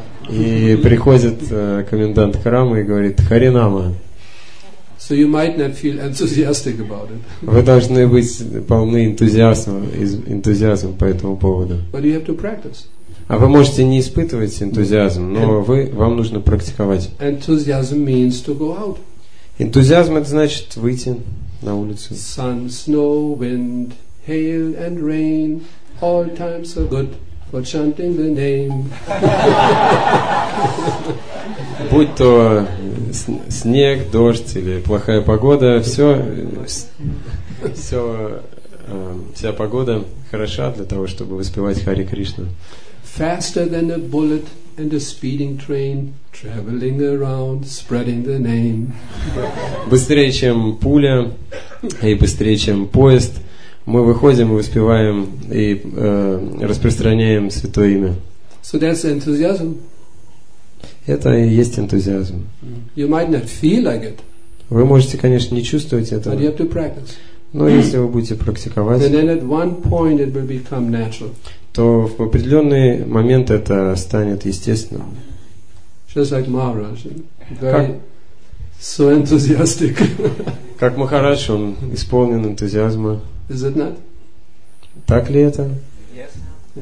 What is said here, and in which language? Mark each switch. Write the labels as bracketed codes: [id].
[ru] И приходит комендант храма и говорит, Харинама. [en] So you might not feel enthusiastic about it. [ru] Вы должны быть полны энтузиазма по этому поводу. [en] But you have to practice. [ru] А вы можете не испытывать энтузиазм, но вам нужно практиковать. [en] Enthusiasm means to go out. [ru] Энтузиазм это значит выйти на улицу. [en] Sun, snow, wind, hail and rain, all times are good for chanting the name. [ru] Будь то снег, дождь или плохая погода, вся погода хороша для того, чтобы воспевать Хари Кришну. [en] Faster than a bullet and a speeding train, traveling around, spreading the name. [ru] Быстрее, чем пуля, и быстрее, чем поезд, мы выходим и воспеваем и распространяем святое имя. [en] So that's enthusiasm. [ru] Это и есть энтузиазм. [en] You might not feel like it. [ru] Вы можете, конечно, не чувствовать этого. [en] But you have to practice. [ru] Но если вы будете практиковать, [en] and then at one point it will become natural. [ru] То в определенный момент это станет естественным. [en] Just like Maharaj, very so enthusiastic. [ru] Как Махарадж, он исполнен энтузиазма. [en] Is it not? [ru] Так ли это? [en] Yes.